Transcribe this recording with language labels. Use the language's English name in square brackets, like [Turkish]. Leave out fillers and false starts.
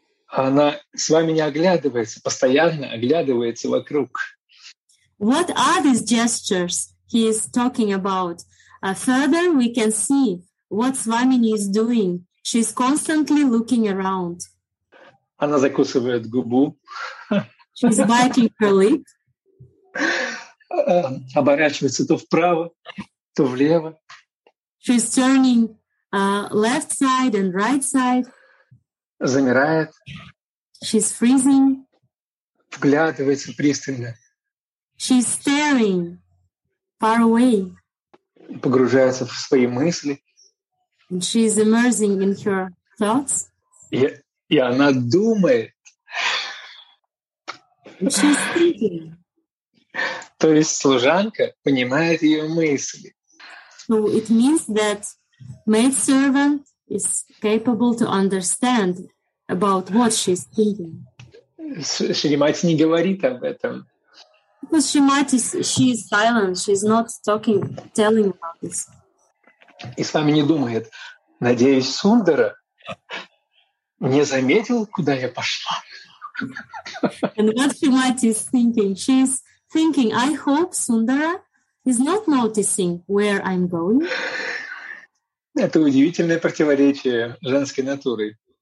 [Russian] Она Свамини оглядывается, постоянно оглядывается вокруг. [English] What are these gestures he is talking about? Further, we can see what Swamini is doing. She's constantly looking around. [Russian] Она закусывает губу. [English] She's biting her lip. [Russian] Оборачивается то вправо, то влево. [English] She's turning left side and right side. [Russian] Замирает. [English] She's freezing. [Russian] Вглядывается пристально. [English] She's staring far away. [Russian] Погружается в свои мысли. [English] And she's immersing in her thoughts. [Russian] И она думает. [English] And she's thinking. [Russian] То есть служанка понимает ее мысли. [English] So it means that maidservant is capable to understand about what she's thinking. [Russian] Шримати не говорит об этом. [English] Because Shrimati, she is silent. She's not talking, telling about this. [Russian] И с вами не думает. Надеюсь, Сундара не заметил, куда я пошла. [English] And what Shrimati is thinking? She's thinking, I hope Sundara is not noticing where I'm going. [Russian] Это удивительное противоречие женской натуры.